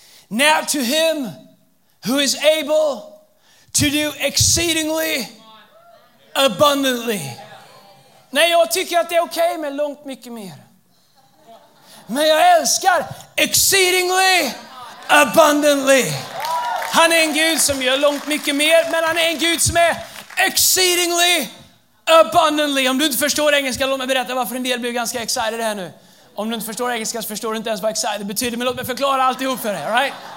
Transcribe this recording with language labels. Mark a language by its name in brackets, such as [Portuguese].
[English] Now to him who is able to do exceedingly abundantly. [Swedish] Nej, jag tycker att det är okej med långt mycket mer. Men jag älskar [English] exceedingly abundantly. [Swedish] Han är en Gud som gör långt mycket mer, men han är en Gud som är [English] exceedingly abundantly. [Swedish] Om du inte förstår engelska, låt mig berätta varför en del blir ganska excited här nu. Om du inte förstår engelska så förstår du inte ens vad excited betyder, men låt mig förklara alltihop för dig, all right?